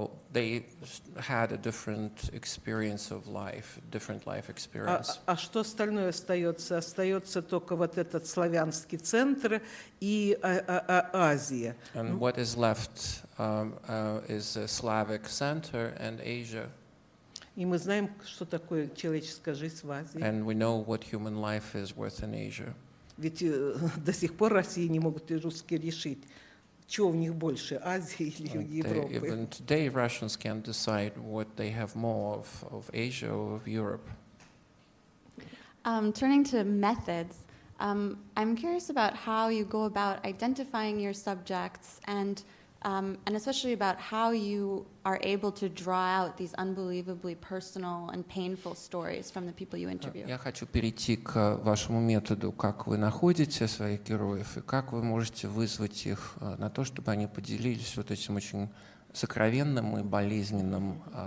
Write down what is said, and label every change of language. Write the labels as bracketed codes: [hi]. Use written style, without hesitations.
[en] They had a different experience of life, different life experience. [ru] А что остальное остается? Остается только вот этот славянский центр и Азия. [en] And what is left is a Slavic center and Asia. [ru] И мы знаем, что такое человеческая жизнь в Азии. [en] And we know what human life is worth in Asia. [ru] Ведь до сих пор Россия не могут и русские решить, что у них больше, Азии или Европы. [en] Even today, Russians can't decide what they have more of Asia or of Europe. Turning to methods, I'm curious about how you go about identifying your subjects and especially about how you are able to draw out these unbelievably personal and painful stories from the people you interview. [ru] Я хочу перейти к вашему методу, как вы находите своих героев и как вы можете вызвать их на то, чтобы они поделились вот этим очень сокровенным и болезненным.